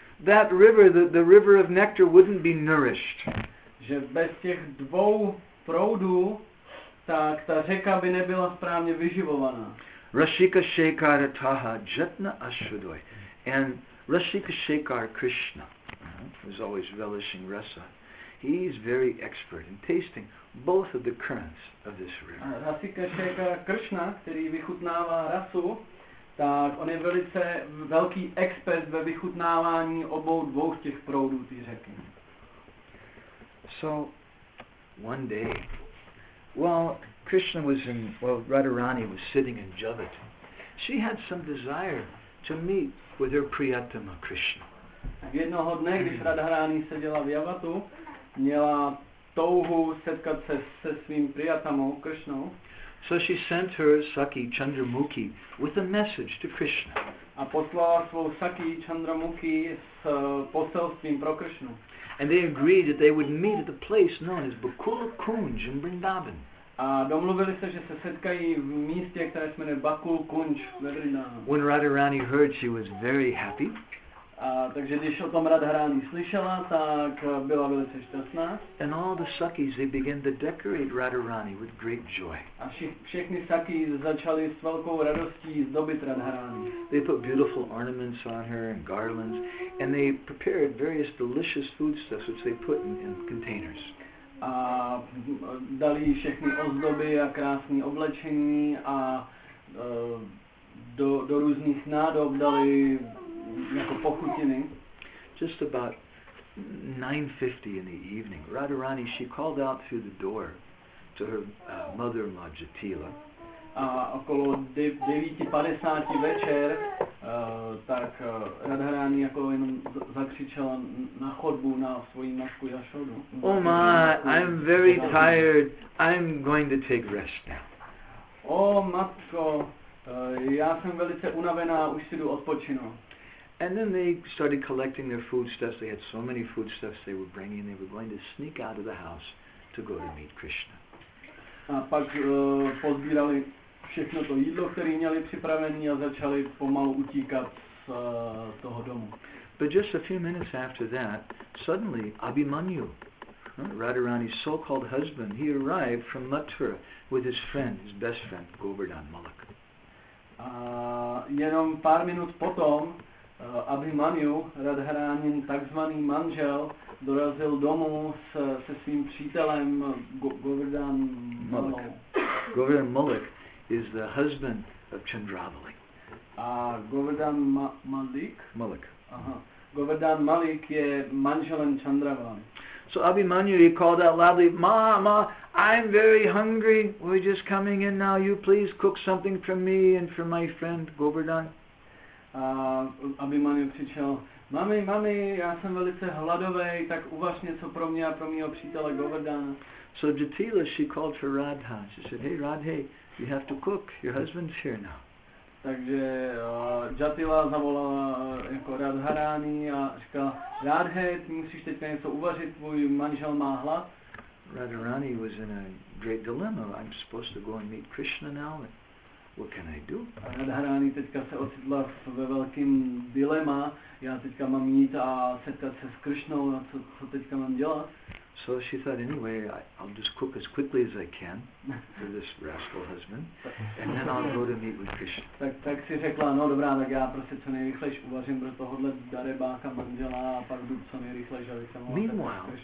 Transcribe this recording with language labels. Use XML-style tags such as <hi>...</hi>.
<en>that river, the river of nectar, wouldn't be nourished.</en> <cs>Že bez těch dvou proudů, tak ta řeka by nebyla správně vyživovaná. Rashika Shekhar Taha Jatna Ashudoy.</cs> <en>And Rashika Shekhar Krishna, who's always relishing rasa, he's very expert in tasting both of the currents of this river.</en> <cs>Rashika Shekhar Krishna, který vychutnává rasu, tak on je velice velký expert ve vychutnávání obou dvou těch proudů té řeky.</cs> <en>So, one day, while Krishna was in, while Radharani was sitting in Javad, she had some desire to meet with her Priyatama Krishna.</en> <cs>Tak jednoho dne, když Radharani seděla v Javatu, měla touhu setkat se se svým Priyatamou Krishnou.</cs> <en>So she sent her Sakhi Chandramukhi with a message to Krishna.</en> <cs>A poslala svou Sakhi Chandramukhi s poselstvím pro Krishnu.</cs> <en>And they agreed that they would meet at the place known as Bakula Kunj in Vrindavan.</en> <cs>A domluvili se, že se setkají v místě, které se jmenuje Bakul Kunj ve Vrindavanu.</cs> <en>When Radharani heard, she was very happy.</en> <cs>Takže když o tom Radharani slyšela, tak byla velice šťastná.</cs> <en>And all the sakis, they began to decorate Radharani with great joy.</en> <cs>A všechny saky začaly s velkou radostí zdobit Radharani.</cs> <en>They put beautiful ornaments on her and garlands, and they prepared various delicious foodstuffs which they put in containers.</en> <cs>A dali všechny ozdoby a krásné oblečení a do různých nádob dali jako pochutiny.</cs> <en>Just about 9:50 in the evening, Radharani, she called out through the door to her mother-in-law Jatila.</en> <cs>A okolo 9:50 večer, tak Radharani jako jenom zakřičela na chodbu na svoji matku Yashodu.</cs> <en>Oh my, I'm very tired. I'm going to take rest now.</en> <cs>Oh matko, já jsem velice unavená, už si jdu odpočinout.</cs> <en>And then they started collecting their foodstuffs. They had so many foodstuffs they were bringing. They were going to sneak out of the house to go to meet Krishna.</en> <cs>A pak pozbírali všechno to jídlo, které měli připravené, a začali pomalu utíkat z toho domu.</cs> <en>But just a few minutes after that, suddenly Abhimanyu, Radharani's so-called husband, he arrived from Mathura with his friend, his best friend, Govardhan Malak.</en> <cs>A jenom pár minut potom Abhimanyu, Radharanin takzvaný manžel, dorazil domů se svým přítelem Govardhan Malak.</cs> <en>Govardhan Malak is the husband of Chandravali.</en> <cs>A Govardhan Malik? Malak. Aha. Govardhan Malik je manželem Chandravali.</cs> <en>So Abhimanyu, he called out loudly, Ma, Ma, I'm very hungry. We're just coming in now. You please cook something for me and for my friend Govardhan.</en> <cs>A Abhimanyu přišel, Mami, mami, já jsem velice hladovej, tak uvaž něco pro mě a pro mýho přítele Govardhana.</cs> <en>So Jatila, she called for Radha. She said, hey Radhe, you have to cook, your husband's here now.</en> <cs>Takže Jatila zavolala jako Radharani a říkala, Radhe, ty musíš teď něco uvařit, tvůj manžel má hlad.</cs> <en>Radharani was in a great dilemma, I'm supposed to go and meet Krishna now. What can I do?</en> <cs>Radharani teďka se ocitla ve velkém dilema. Já teďka mám jít a setkat se s Krishnou, a co teďka mám dělat?</cs> <en>So she thought, anyway, I'll just cook as quickly as I can for this rascal husband, and then I'll go to meet with Krishna.</en> <cs>Tak si řekla, no dobrá, tak já prostě co nejrychlejš uvařím pro tohohle darebáka manžela a pak jdu co nejrychlejš, aby se mohla setkat s Krishnou.</cs>